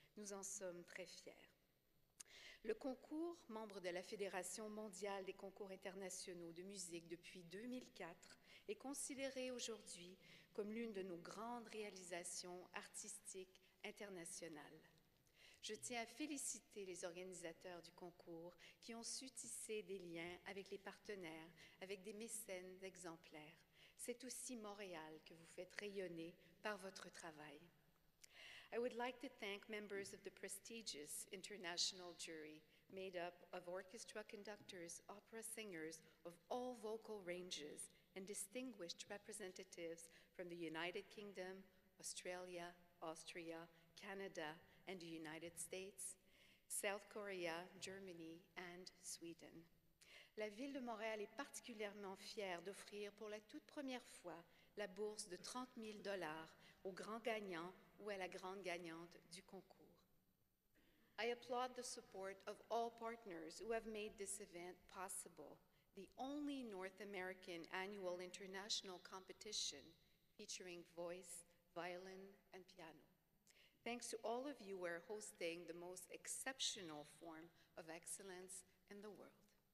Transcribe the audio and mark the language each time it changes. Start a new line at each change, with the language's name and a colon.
French: Nous en sommes très fiers. Le concours, membre de la Fédération mondiale des concours internationaux de musique depuis 2004, est considéré aujourd'hui comme l'une de nos grandes réalisations artistiques internationales. Je tiens à féliciter les organisateurs du concours qui ont su tisser des liens avec les partenaires, avec des mécènes exemplaires. C'est aussi Montréal que vous faites rayonner par votre travail.
English: I would like to thank members of the prestigious international jury made up of orchestra conductors, opera singers of all vocal ranges, and distinguished representatives from the United Kingdom, Australia, Austria, Canada, and the United States, South Korea, Germany, and Sweden.
French: La ville de Montréal est particulièrement fière d'offrir pour la toute première fois la bourse de $30,000 au grand gagnant ou à la grande gagnante du concours.
English: I applaud the support of all partners who have made this event possible, the only North American annual international competition featuring voice, violin, and piano. Thanks to all of you who are hosting the most exceptional form of excellence in the world.